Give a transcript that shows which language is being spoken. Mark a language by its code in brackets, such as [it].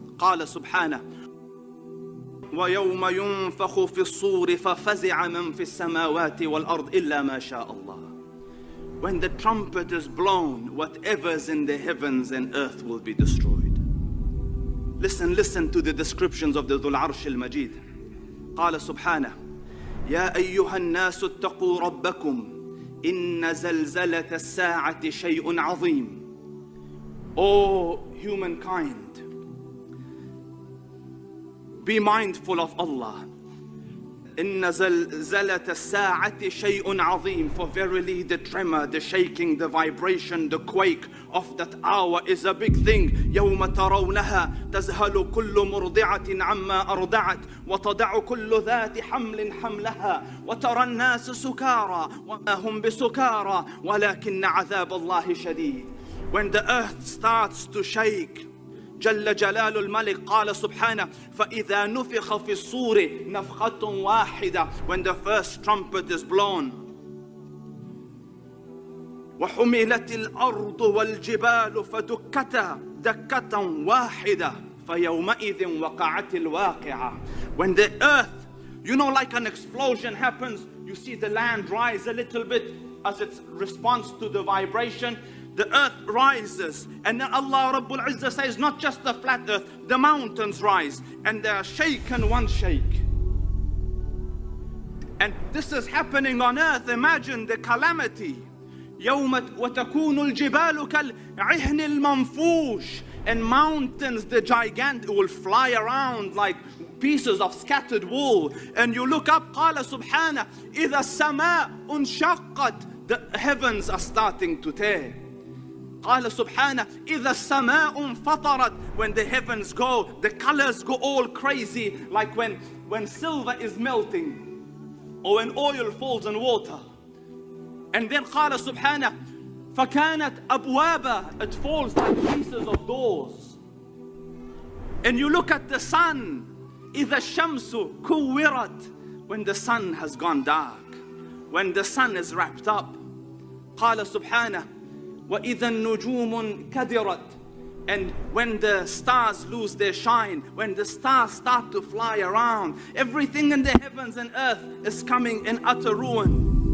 [ar] قال سبحانه وَيَوْمَ يُنْفَخُ فِي الصُّورِ فَفَزِعَ مَنْ فِي السَّمَاوَاتِ وَالْأَرْضِ إِلَّا مَا شَاءَ اللَّهِ. [en] When the trumpet is blown, whatever's in the heavens and earth will be destroyed. Listen to the descriptions of the ذو العرش المجيد. [ar] قال سبحانه يَا أَيُّهَا النَّاسُ اتَّقُوا رَبَّكُمْ إن زلزلة الساعة شيء عظيم. [en] Oh humankind, be mindful of Allah. [ar] إن زلزلة الساعة شيء عظيم. [en] For verily the tremor, the shaking, the vibration, the quake of that hour is a big thing. [ar] يوم ترونها تزهل كل مرضعة عما أرضعت وتضع كل ذات حمل حملها وترى الناس سكارى وما هم بسكارى ولكن عذاب الله شديد. [en] When the earth starts to shake, [ar] جل جلال الملك قال سبحانه فإذا نفخ في الصور نفخة واحدة. [en] When the first trumpet is blown, [ar] وحملت الأرض والجبال فدكتا دكة واحدة فيومئذ وقعت الواقعة. [en] When the earth, you know, like an explosion happens, you see the land rise a little bit as its response to the vibration. The earth rises, and then Allah Rabbul Izzah says, not just the flat earth, the mountains rise, and they are shaken one shake. And this is happening on earth. Imagine the calamity. [ar] يَوْمَ وَتَكُونُ الْجِبَالُ كَالْعِهْنِ الْمَنْفُوشِ. [en] And mountains, the gigantic, will fly around like pieces of scattered wool. And you look up, [ar] قَالَ سُبْحَانَهُ إِذَا السَّمَاءُ انْشَقَّتْ. [en] The heavens are starting to tear. [ar] قال سبحانه إذا السماء انفطرت. [en] When the heavens go, the colors go all crazy, like when silver is melting, or when oil falls in water. And then [ar] قال سبحانه فكانت أبوابا. [en] It falls like pieces of doors. And you look at the sun, [ar] إذا الشمس كورت. [en] When the sun has gone dark, when the sun is wrapped up. [ar] قال سبحانه وَإِذَا النُّجُومُ كَدِرَتْ. [en] And when the stars lose their shine, when the stars start to fly around, everything in the heavens and earth is coming in utter ruin.